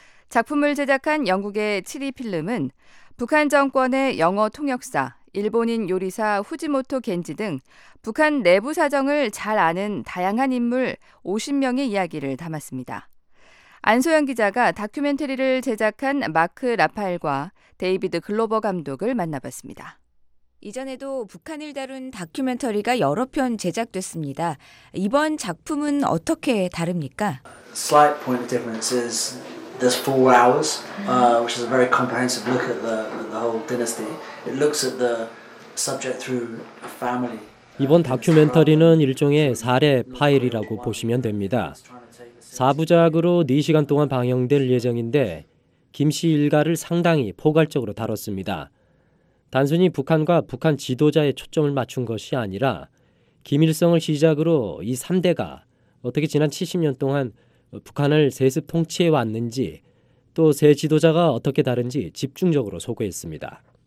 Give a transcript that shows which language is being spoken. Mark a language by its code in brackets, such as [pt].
[ko] 작품을 제작한 영국의 7위 필름은 북한 정권의 영어 통역사, 일본인 요리사 후지모토 겐지 등 북한 내부 사정을 잘 아는 다양한 인물 50명의 이야기를 담았습니다. 안소영 기자가 다큐멘터리를 제작한 마크 라파엘과 데이비드 글로버 감독을 만나봤습니다. 이전에도 북한을 다룬 다큐멘터리가 여러 편 제작됐습니다. 이번 작품은 어떻게 다릅니까? [en] Slight point of difference is this 4 hours, which is a very comprehensive look at the whole dynasty. It looks at the subject through a family. [ko] 이번 다큐멘터리는 일종의 사례 파일이라고 보시면 됩니다. 4부작으로 4시간 동안 방영될 예정인데 김 씨 일가를 상당히 포괄적으로 다뤘습니다. 단순히 북한과 북한 지도자에 초점을 맞춘 것이 아니라 김일성을 시작으로 이 3대가 어떻게 지난 70년 동안 북한을 세습 통치해 왔는지 또 새 지도자가 어떻게 다른지 집중적으로 소개했습니다.